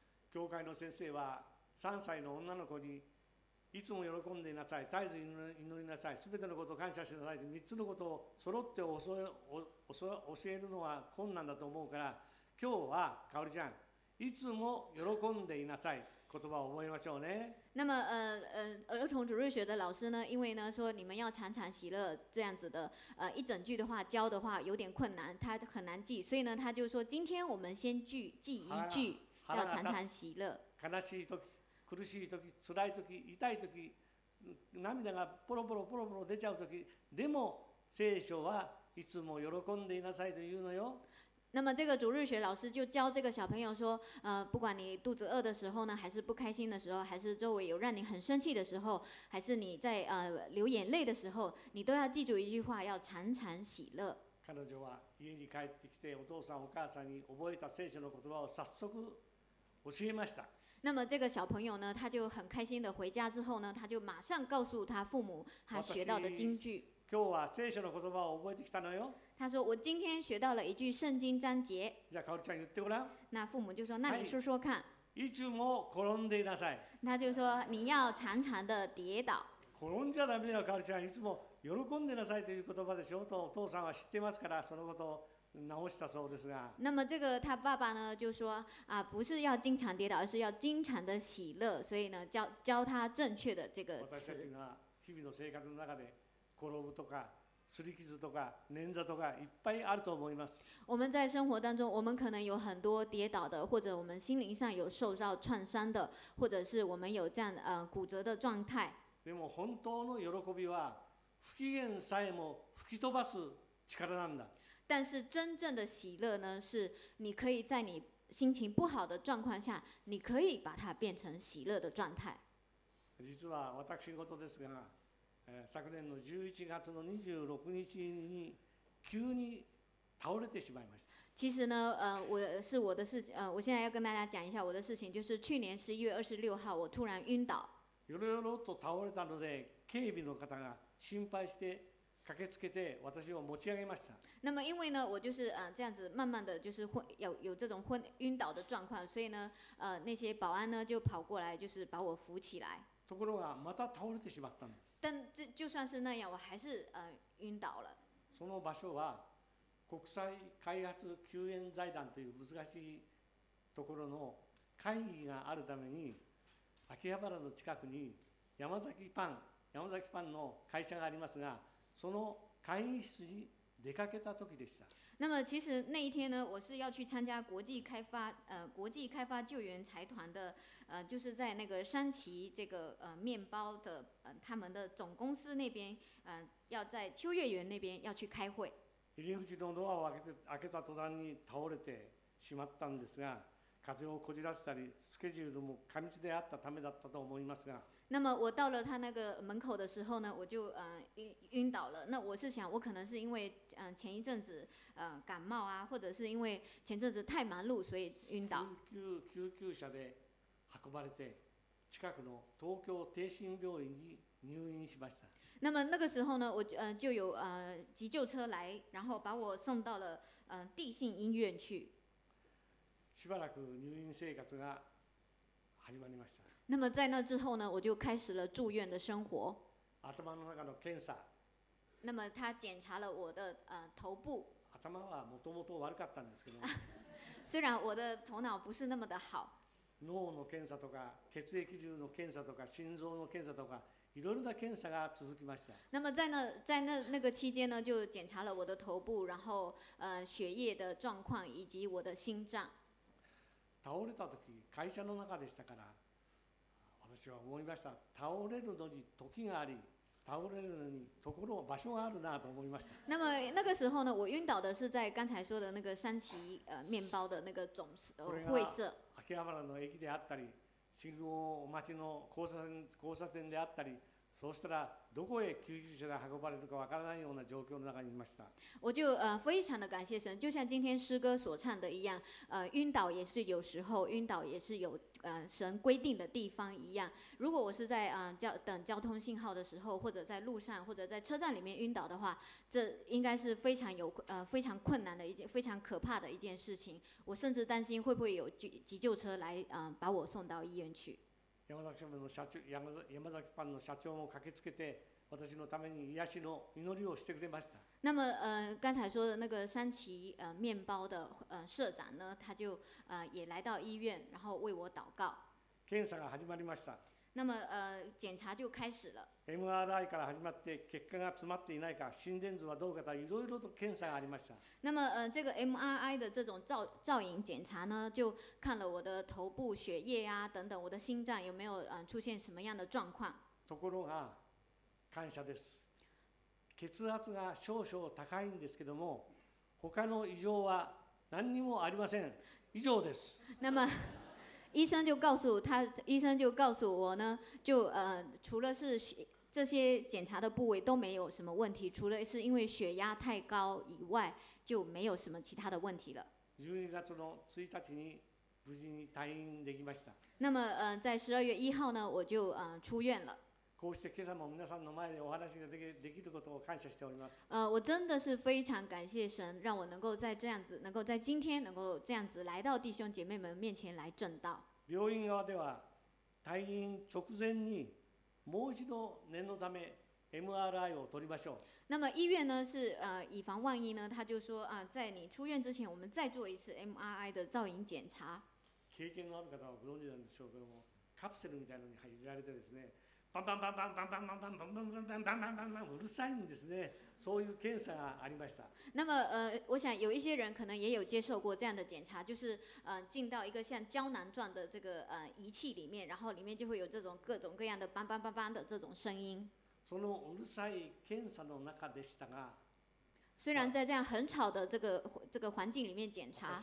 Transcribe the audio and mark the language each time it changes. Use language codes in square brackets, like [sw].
[ja] 教会の先生は三歳の女の子にいつも喜んでいなさい、絶えず祈りなさい、すべてのことを感謝しなさいと三つのことを揃って教えるのは困難だと思うから、今日は香里ちゃんいつも喜んでいなさい言葉を覚えましょうね。 [zh] 那么儿童主日学的老师呢，因为呢说你们要常常喜乐这样子的一整句的话教的话有点困难，他很难记，所以呢他就说今天我们先记一句，要常常喜乐。 [ja] 悲しい時、苦しい時、辛い時、痛い時、涙がポロポロポロポロ出ちゃう時、でも聖書はいつも喜んでいなさいと言うのよ。 [zh] 那么这个主日学老师就教这个小朋友说，不管你肚子饿的时候呢，还是不开心的时候，还是周围有让你很生气的时候，还是你在流眼泪的时候，你都要记住一句话，要常常喜乐。 [ja] 彼女は家に帰ってきてお父さんお母さんに覚えた聖書の言葉を早速教えました。 [zh] 那么这个小朋友呢，他就很开心的回家之后呢，他就马上告诉他父母他学到的经句。 [ja] 今日は聖書の言葉を覚えてきたのよ。 [zh] 他说我今天学到了一句圣经章节。 [ja] じゃあカオルちゃん言ってごらん。 [zh] 那父母就说，那你说说看。 [ja] いつも転んでいなさい。 [zh] 他就说你要常常的跌倒。 [ja] 転んじゃダメだよカオルちゃん、いつも喜んでなさいという言葉でしょうと、お父さんは知ってますからそのことを直したそうですが。 [zh] 那么这个他爸爸呢就说啊，不是要经常跌倒，而是要经常的喜乐，所以呢教他正确的这个词。 [ja] 私たちが日々の生活の中で転ぶとか擦り傷とか捻挫とかいっぱいあると思います。 [zh] 我们在生活当中，我们可能有很多跌倒的，或者我们心灵上有受到创伤的，或者是我们有这样骨折的状态。 [ja] でも本当の喜びは不機嫌さえも吹き飛ばす力なんだ。 [zh] 但是真正的喜乐呢，是你可以在你心情不好的状况下，你可以把它变成喜乐的状态。 [ja] 実は私事ですが、昨年の11月の26日に急に倒れてしまいました。 [zh] 其实呢，我现在要跟大家讲一下我的事情，就是去年11月26号，我突然晕倒。 [ja] よろよろと倒れたので、警備の方が心配して駆けつけて私を持ち上げました。 [zh] 那么因为呢，我就是这样子慢慢的就是有这种晕倒的状况，所以呢，那些保安呢就跑过来就是把我扶起来。 [ja] ところがまた倒れてしまったんです。 [zh] 但这就算是那样，我还是晕倒了。 [ja] その場所は国際開発救援財団という難しいところの会議があるために秋葉原の近くに山崎パンの会社がありますが、その会議室に出かけた時でした。 [zh] 那么其实那一天呢，我是要去参加国际开发救援财团的就是在那个山崎这个面包的他们的总公司那边要在秋叶原那边要去开会。 [ja] 入り口のドアを開けた途端に倒れてしまったんですが、風をこじらせたりスケジュールも過密であったためだったと思いますが。 [zh] 那么我到了他那个门口的时候呢，我就晕倒了。那我是想，我可能是因为前一阵子感冒啊，或者是因为前阵子太忙碌，所以晕倒。 [ja] 救急車で運ばれて、近くの東京帝心病院に入院しました。 [zh] 那么那个时候呢，我就有急救车来，然后把我送到了帝心医院去。 [ja] しばらく入院生活が始まりました。 [zh] 那么在那之后呢，我就开始了住院的生活。 [ja] 頭の中の検査。 [zh] 那么他检查了我的头部。 [ja] 頭はもともと悪かったんですけど。 [zh] 虽然我的头脑不是那么的好。 [ja] 脳の検査とか血液中の検査とか心臓の検査とかいろいろな検査が続きました。 [zh] 那么在那个期间呢，就检查了我的头部，然后血液的状况以及我的心脏。 [ja] 倒れた時会社の中でしたから。私は思いました。倒れるのに時があり、倒れるのにところ場所があるなと思いました。 [zh] 那么那个时候呢，我晕倒的是在刚才说的那个山崎面包的那个总会社。 [ja] これが秋葉原の駅であったり、信号町の交差点であったり、そうしたらどこへ救急車が運ばれるかわからないような状況の中にいました。 [zh] 我就非常的感谢神，就像今天诗歌所唱的一样，晕倒也是有时候，晕倒也是有神规定的地方一样。如果我是在等交通信号的时候，或者在路上，或者在车站里面晕倒的话，这应该是非常有非常困难的一件非常可怕的一件事情。我甚至担心会不会有急救车来把我送到医院去。 [ja] 山崎パンの社長も駆けつけて私のために癒しの祈りをしてくれました。 [zh] 那么刚才说的那个山崎面包的社长呢，他就也来到医院，然后为我祷告。 [ja] 検査が始まりました。 [zh] 那么检查就开始了。 [ja] MRI から始まって血管が詰まっていないか、心電図はどうかといろいろと検査がありました。 [zh] 那么这个 MRI 的这种造影检查呢，就看了我的头部血液啊等等，我的心脏有没有出现什么样的状况。 [ja] ところが感謝です。血圧が少々高いんですけども、他の異常は何にもありません。以上です。 [zh] 那么医生就告诉他，医生就告诉我呢，就除了是这些检查的部位都没有什么问题，除了是因为血压太高以外，就没有什么其他的问题了。 [ja] 12月の1日に無事に退院できました。 [zh] 那么在12月1号呢，我就出院了。 [ja] こうして今朝も皆さんの前でお話ができることを感謝しております。 [zh] 我真的是非常感谢神，让我能够在这样子，能够在今天能够这样子来到弟兄姐妹们面前来证道。 [ja] 病院側では退院直前にもう一度念のため MRI を取りましょう。 [zh] 那么医院呢是以防万一呢，他就说在你出院之前，我们再做一次 MRI 的造影检查。 [ja] 経験のある方はご存知なんでしょうけども、カプセルみたいなのに入れられてですね、バンバンバンバンバンバンバンバンバンバンバンバンバンバンバンバンうるさいんですね。そういう検査がありました。 [zh] 那么我想有一些人可能也有接受过这样的检查，就是进到一个像胶囊状的这个仪器里面，然后里面就会有这种各种各样的 [ja] バンバンバンバン [zh] 的这种声音。 [ja] そのうるさい検査の中でしたが、 [zh] 虽然在这样很吵的这个环境里面检查，